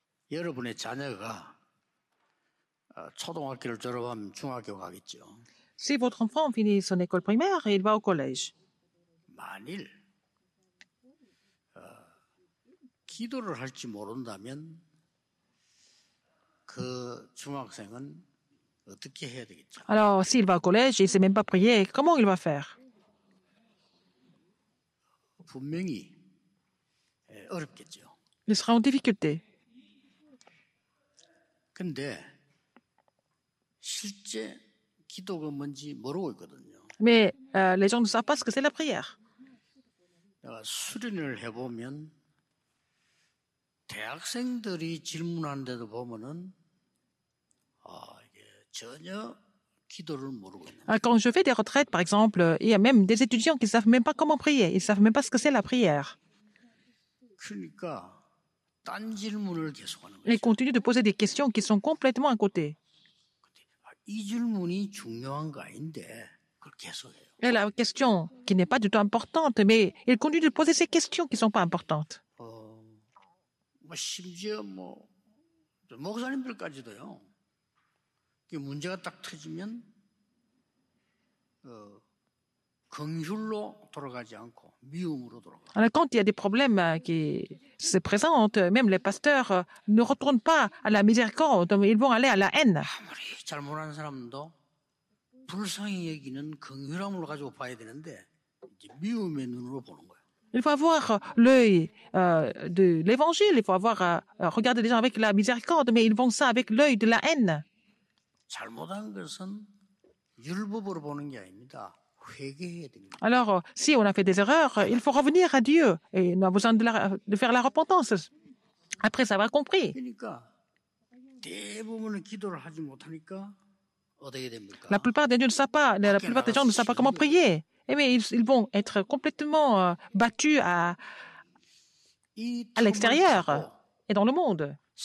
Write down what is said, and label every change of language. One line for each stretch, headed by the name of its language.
Korean: 여러분의 자녀가 초등학교를 졸업하면 중학교 가겠죠.
French: Se votre enfant finit son école primaire, il va au collège.
Korean: 만일 기도를 할지 모른다면 그 중학생은 어떻게 해야 되겠죠?
French: Alors, s'il va au collège, il ne sait même pas prier, comment il va faire?
Korean: 분명히 어렵겠죠.
French: Il sera en difficulté.
Korean: 근데 실제 기도가 뭔지 모르고 있거든요.
French: Mais les gens ne savent pas ce que c'est la prière.
Korean: 내가 수련을 해보면 대학생들이 질문하는데도 보면은 이게 전혀 기도를 모르고 있는.
French: Quand je fais des retraites, par exemple, il y a même des étudiants qui ne savent même pas comment prier. Ils ne savent même pas ce que c'est la prière.
Korean: 그러니까 딴 질문을 계속하는 거죠.
French: Ils continuent de poser des questions qui sont complètement à côté.
Korean: 이 질문이 중요한 거 아닌데 그걸 계속해요.
French: Et la question qui n'est pas du tout importante, mais ils continuent de poser ces questions qui ne sont pas importantes.
Korean: 심지어 목사님들까지도요. 문제가 딱 터지면 긍휼로 돌아가지 않고 미움으로 돌아가.
French: Alors quand il y a des problèmes qui se présentent, même les pasteurs ne retournent pas à la miséricorde, ils vont aller à la haine.
Korean: 아무리 잘못한 사람도 불쌍히 여기는 긍휼함으로 가지고 봐야 되는데 이제 미움의 눈으로 보는 거야.
French: Il faut avoir l'œil de l'évangile, il faut avoir regarder les gens avec la miséricorde, mais ils font ça avec l'œil de la haine.
Korean: 잘못한 것은 율법으로 보는 게 아닙니다.
French: Alors, si on a fait des erreurs, il faut revenir à Dieu et on a besoin de, de faire la repentance. Après, ça va compris.
Korean: 그러니까, 대부분은 기도를 하지 못하니까 어떻게 됩니까?
French: La plupart des gens ne savent pas, la plupart des gens ne savent pas comment prier. Et mais ils vont être complètement battus à l'extérieur et dans le monde.